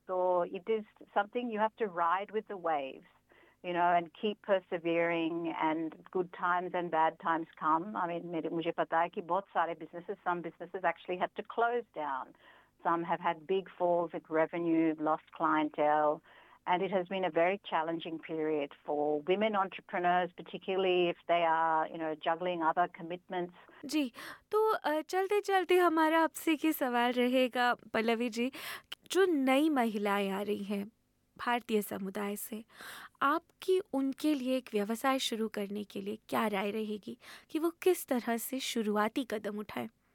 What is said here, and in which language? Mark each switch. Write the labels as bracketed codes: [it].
[en] तो it is something you have to ride with the waves, you know, and keep persevering and good times and bad times come. I mean [hi] मुझे पता है कि [en] बहुत सारे businesses, some businesses actually had to close down, some have had big falls with revenue, lost clientele. And it has been a very challenging period for women entrepreneurs, particularly if they are, you know, juggling other commitments. [hi] जी, तो चलते चलते हमारा आपसे ये सवाल रहेगा पल्लवी जी, जो नई महिलाएं आ रही हैं भारतीय समुदाय से, आपकी उनके लिए एक व्यवसाय शुरू करने के लिए क्या राय रहेगी कि वो किस तरह से शुरुआती कदम उठाएं?